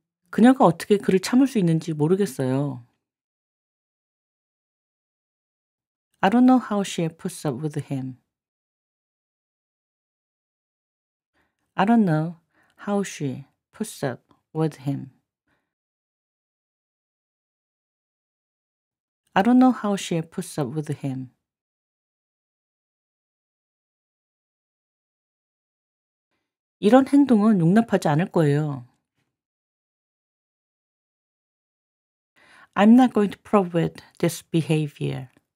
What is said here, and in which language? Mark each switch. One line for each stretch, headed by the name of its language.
Korean: 그녀가 어떻게 그를 참을 수 있는지 모르겠어요.
English: I don't know how she puts up with him. I don't know how she puts up with him. I don't know how she puts up with him.
Korean: 이런 행동은 용납하지 않을 거예요.
English: I'm not going to tolerate this behavior.